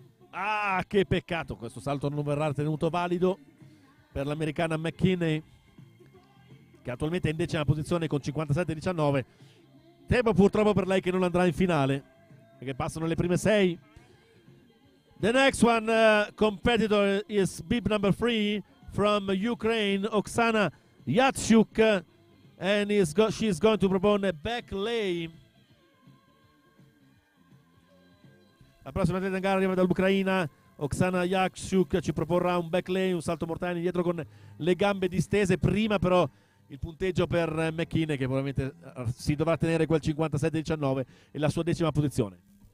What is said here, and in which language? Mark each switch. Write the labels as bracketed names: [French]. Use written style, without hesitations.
[Italian] Ah, che peccato, questo salto non verrà tenuto valido per l'americana McKinney, che attualmente è in decima posizione con 57-19. Tempo purtroppo per lei che non andrà in finale, perché passano le prime sei. [English] The next one competitor is bib number three from Ukraine, Oksana Yatsyuk, and she's going to propone a back lay. [Italian] La prossima atleta in gara arriva dall'Ucraina, Oksana Yatsyuk, ci proporrà un back lay, un salto mortale indietro con le gambe distese. Prima però il punteggio per McKinney, che probabilmente si dovrà tenere quel 57-19 e la sua decima posizione.